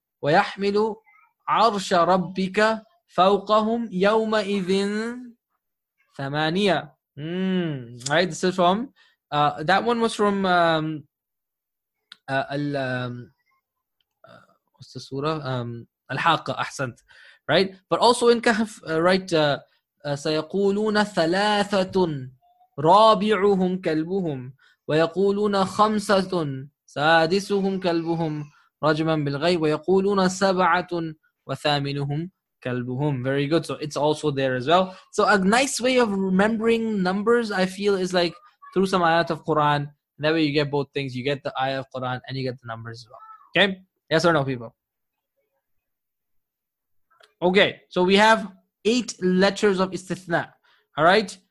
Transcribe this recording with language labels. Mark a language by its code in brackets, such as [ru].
[ar] وَيَحْمِلُ عَرْشَ رَبِّكَ فَوْقَهُمْ يَوْمَئِذٍ ثَمَانِيَةً. [en] Right, this is from, that one was from, what's the surah? Al-Haqqa, Ahsant. Right? But also in Kahf, right, [ar] سَيَقُولُونَ ثَلَاثَةٌ رَابِعُهُمْ كَلْبُهُمْ وَيَقُولُونَ خَمْسَةٌ سَادِسُهُمْ كَلْبُهُمْ رَجْمًا بِالْغَيْبِ وَيَقُولُونَ سَبْعَةٌ وَثَامِنُهُمْ كَلْبُهُمْ. [en] Very good. So it's also there as well. So a nice way of remembering numbers, I feel, is like through some ayat of Quran. That way you get both things. You get the ayat of Quran and you get the numbers as well. Okay? Yes or no, people? Okay. So we have 8 letters of istithna. All right?